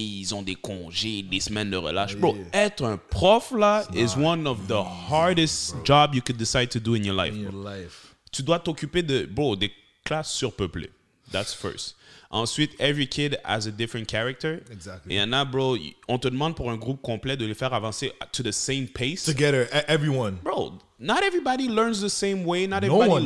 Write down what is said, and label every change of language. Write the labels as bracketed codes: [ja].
[fr] Ils ont des congés, des semaines de relâche. [en] Bro, yeah. [fr] Être un prof là [en] is one of the hardest job you could decide to do in your life. In your life. [fr] Tu dois t'occuper de bro des classes surpeuplées. [en] That's first. Ensuite, every kid has a different character. Exactly. [fr] Et y en a, bro, on te demande pour un groupe complet de les faire avancer [en] to the same pace. Together, everyone. Bro, not everybody learns the same way. Not everybody